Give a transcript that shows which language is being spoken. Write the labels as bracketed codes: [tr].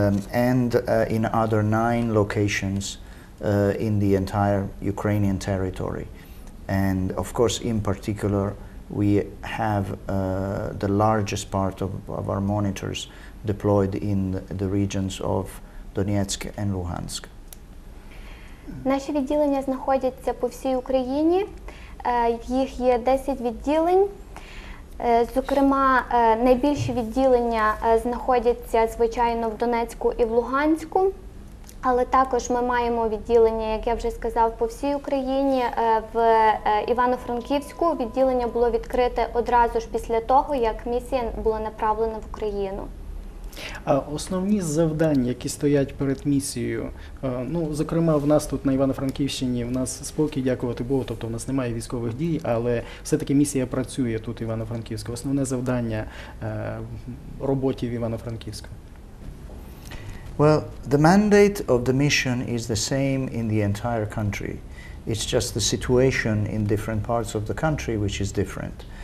[en] And in other 9 locations in the entire Ukrainian territory. And of course, in particular, we have the largest part of our monitors deployed in the regions of Donetsk and Luhansk. [uk] Наші відділення знаходяться по всій Україні. Їх є 10 відділень. Зокрема, найбільші відділення знаходяться, звичайно, в Донецьку і в Луганську, але також ми маємо відділення, як я вже сказав, по всій Україні, в Івано-Франківську. Відділення було відкрите одразу ж після того, як місія була направлена в Україну. А основні завдання, які стоять перед місією, ну, зокрема, в нас тут на Івано-Франківщині в нас спокій, дякувати Богу, тобто в нас немає військових дій, але все-таки місія працює тут в Івано-Франківську. Основне завдання роботи в Івано-Франківську. [en] Well, the mandate of the mission is the same in the entire country. It's just the situation in different parts of the country which is different.